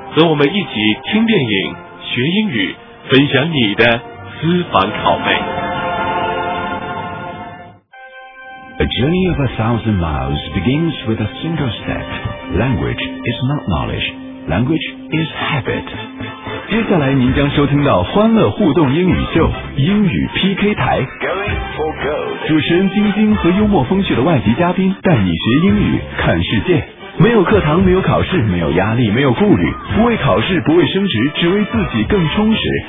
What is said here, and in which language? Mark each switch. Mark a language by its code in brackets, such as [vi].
[zh] 和我们一起听电影学英语分享你的私房拷贝。 [en] A journey of 1,000 miles begins with a single step. Language is not knowledge. Language is habit. [zh] 接下来您将收听到欢乐互动英语秀英语 PK 台 [en] Going for gold. [zh] 主持人晶晶和幽默风趣的外籍嘉宾带你学英语看世界。没有课堂，没有考试，没有压力，没有顾虑，不为考试，不为升职，只为自己更充实。